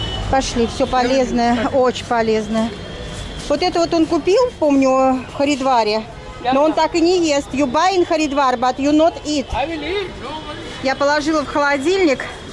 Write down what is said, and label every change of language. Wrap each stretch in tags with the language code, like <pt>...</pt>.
<ru>Пошли, все полезное, очень полезное. Вот это вот он купил, помню, в Харидваре. Но он так и не ест.</ru> <en>You buy in Haridwar, but you not eat.</en> <ru>Я положила в холодильник.</ru>